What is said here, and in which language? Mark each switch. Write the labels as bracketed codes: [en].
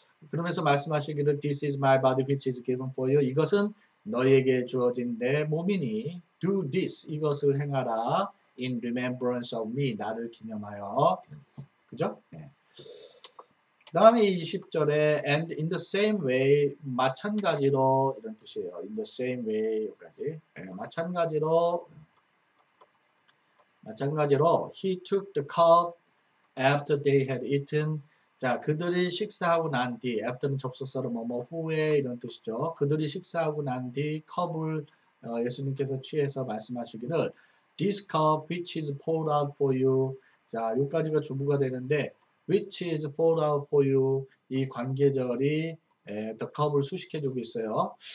[ko] 그러면서 말씀하시기를 [en] This is my body which is given for you. [ko] 이것은 너에게 주어진 내 몸이니 [en] Do this. [ko] 이것을 행하라. [en] In remembrance of me. [ko] 나를 기념하여. 그죠? 네. 다음에 20절에 [en] And in the same way. [ko] 마찬가지로 이런 뜻이에요. [en] In the same way. [ko] 여기까지. 네, 마찬가지로 [en] He took the cup after they had eaten. [ko] 자, 그들이 식사하고 난 뒤, after는 접속사로 뭐뭐 후에 이런 뜻이죠. 그들이 식사하고 난뒤 컵을 예수님께서 취해서 말씀하시기를 [en] This cup which is poured out for you. [ko] 자, 여기까지가 주부가 되는데 [en] which is poured out for you [ko] 이 관계절이 the cup을 수식해 주고 있어요.